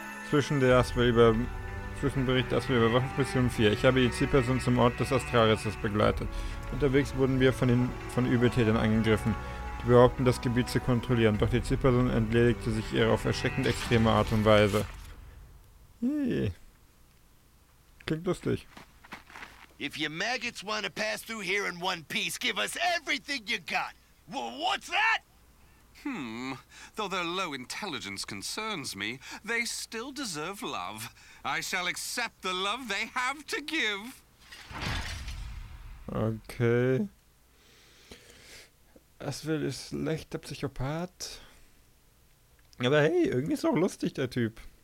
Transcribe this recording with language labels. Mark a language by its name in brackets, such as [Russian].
[German] Zwischenbericht Aspel Überwachungsmission 4. Ich habe die Zielperson zum Ort des Astralrisses begleitet. Unterwegs wurden wir von Übeltätern angegriffen, die behaupten, das Gebiet zu kontrollieren. Doch die Zielperson entledigte sich ihrer auf erschreckend extreme Art und Weise. Klingt lustig. [English] If you maggots want to pass through here in one piece, give us everything you got. Well, what's that? Though their low intelligence concerns me, they still deserve love. I shall accept the love they have to give. Okay. [German] Aswell ist leichter Psychopath. Aber hey, irgendwie ist auch lustig, der Typ.